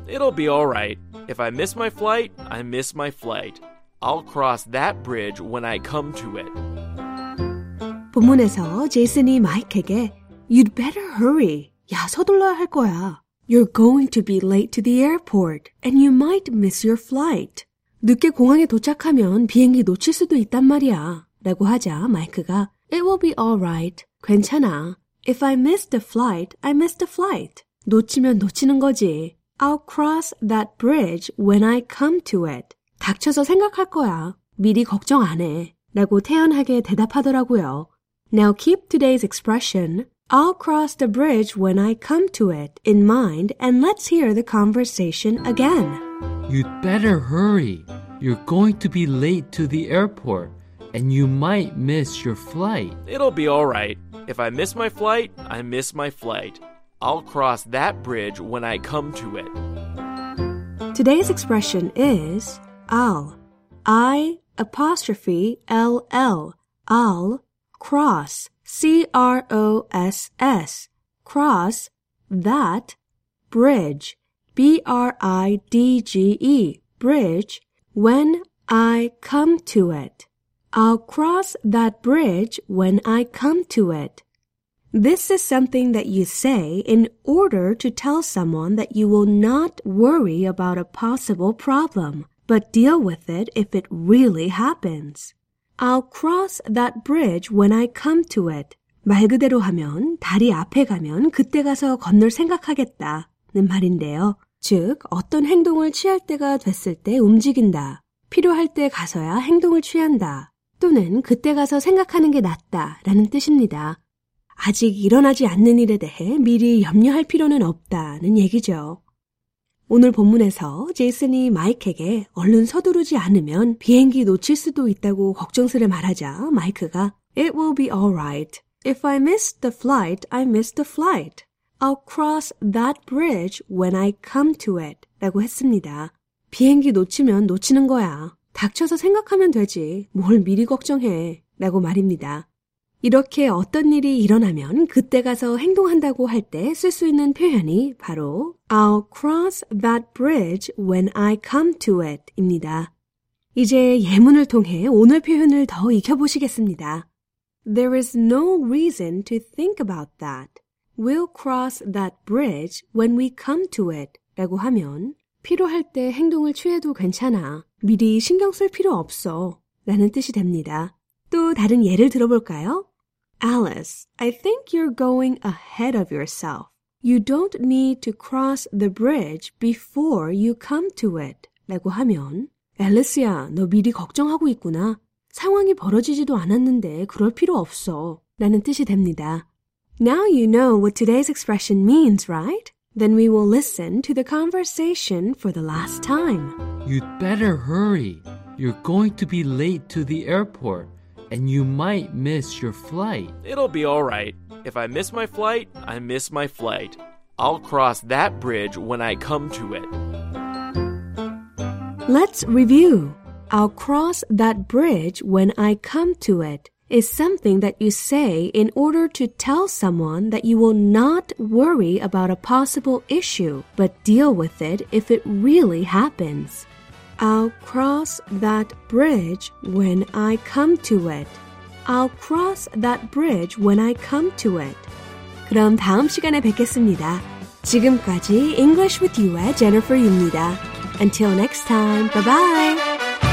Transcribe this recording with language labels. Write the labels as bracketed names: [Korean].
[English] It'll be all right. If I miss my flight, I miss my flight. I'll cross that bridge when I come to it. [Korean] 본문에서 제이슨이 마이크에게 [English] You'd better hurry. [Korean] 야, 서둘러야 할 거야. [English] You're going to be late to the airport, and you might miss your flight. [Korean] 늦게 공항에 도착하면 비행기 놓칠 수도 있단 말이야. 라고 하자 마이크가 [English] It will be all right. [Korean] 괜찮아. [English] If I miss the flight, I miss the flight. [Korean] 놓치면 놓치는 거지. [English] I'll cross that bridge when I come to it. [Korean] 닥쳐서 생각할 거야. 미리 걱정 안 해. 라고 태연하게 대답하더라고요. [English] Now keep today's expression. I'll cross the bridge when I come to it in mind and let's hear the conversation again. You'd better hurry. You're going to be late to the airport and you might miss your flight. It'll be all right. If I miss my flight, I miss my flight. I'll cross that bridge when I come to it. Today's expression is I'll. I apostrophe LL. I'll cross. C-R-O-S-S, cross, that, bridge, B-R-I-D-G-E, bridge, when I come to it. I'll cross that bridge when I come to it. This is something that you say in order to tell someone that you will not worry about a possible problem, but deal with it if it really happens. I'll cross that bridge when I come to it. [Korean] 말 그대로 하면 다리 앞에 가면 그때 가서 건널 생각하겠다는 말인데요. 즉, 어떤 행동을 취할 때가 됐을 때 움직인다. 필요할 때 가서야 행동을 취한다. 또는 그때 가서 생각하는 게 낫다라는 뜻입니다. 아직 일어나지 않는 일에 대해 미리 염려할 필요는 없다는 얘기죠. 오늘 본문에서 제이슨이 마이크에게 얼른 서두르지 않으면 비행기 놓칠 수도 있다고 걱정스레 말하자 마이크가 [English] It will be all right. If I miss the flight, I miss the flight. I'll cross that bridge when I come to it. [Korean] 라고 했습니다. 비행기 놓치면 놓치는 거야. 닥쳐서 생각하면 되지. 뭘 미리 걱정해. 라고 말입니다. 이렇게 어떤 일이 일어나면 그때 가서 행동한다고 할 때 쓸 수 있는 표현이 바로 [English] I'll cross that bridge when I come to it [Korean] 입니다. 이제 예문을 통해 오늘 표현을 더 익혀보시겠습니다. [English] There is no reason to think about that. We'll cross that bridge when we come to it [Korean] 라고 하면 필요할 때 행동을 취해도 괜찮아. 미리 신경 쓸 필요 없어 라는 뜻이 됩니다. 또 다른 예를 들어볼까요? [English] Alice, I think you're going ahead of yourself. You don't need to cross the bridge before you come to it. [Korean] 라고 하면 Alice야, 너 미리 걱정하고 있구나. 상황이 벌어지지도 않았는데 그럴 필요 없어. 라는 뜻이 됩니다. [English] Now you know what today's expression means, right? Then we will listen to the conversation for the last time. You'd better hurry. You're going to be late to the airport. And you might miss your flight. It'll be all right. If I miss my flight, I miss my flight. I'll cross that bridge when I come to it. Let's review. I'll cross that bridge when I come to it is something that you say in order to tell someone that you will not worry about a possible issue, but deal with it if it really happens. I'll cross that bridge when I come to it. I'll cross that bridge when I come to it. [Korean] 그럼 다음 시간에 뵙겠습니다. 지금까지 English with You의 Jennifer입니다. [English] Until next time, bye-bye!